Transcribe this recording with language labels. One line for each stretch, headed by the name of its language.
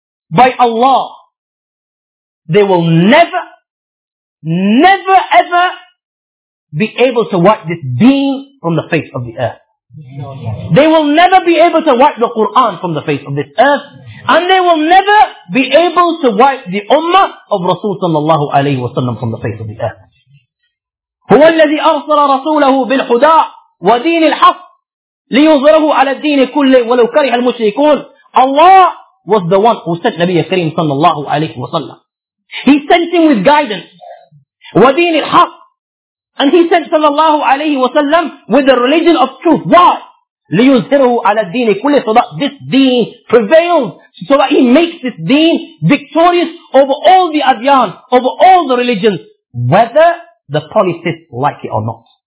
English: By Allah, they will never, never ever be able to wipe this deen from the face of the earth. They will never be able to wipe the Quran from the face of this earth, and they will never be able to wipe the ummah of Rasul sallallahu alayhi wa sallam from the face of the earth.
Arabic: هو الذي أرسل رسوله بالهدى ودين الحق ليظهره على الدين كله ولو كره المشركون.
English: Allah was the one who sent Nabiya Kareem sallallahu alayhi wa sallam. He sent him with guidance.
Arabic: ودين الحق.
English: And he sent sallallahu alayhi wa sallam with the religion of truth. Why?
Arabic: لِيُزْهِرُهُ عَلَى الدِّينِ كُلِّهِ.
English: So that this deen prevails. So that he makes this deen victorious over all the adyan, over all the religions, whether the polytheists like it or not.